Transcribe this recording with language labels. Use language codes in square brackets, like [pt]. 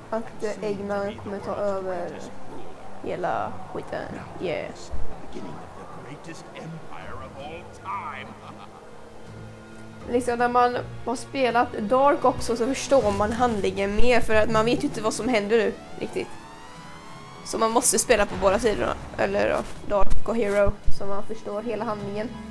[sv] Att Eggman kommer ta över hela skiten. [en] Yes. Beginning of the greatest empire of all time. [sv] Liksom när man har spelat Dark också så förstår man handlingen mer, för att man vet ju inte vad som händer nu riktigt. Så man måste spela på båda sidorna, eller då, Dark och Hero, så man förstår hela handlingen.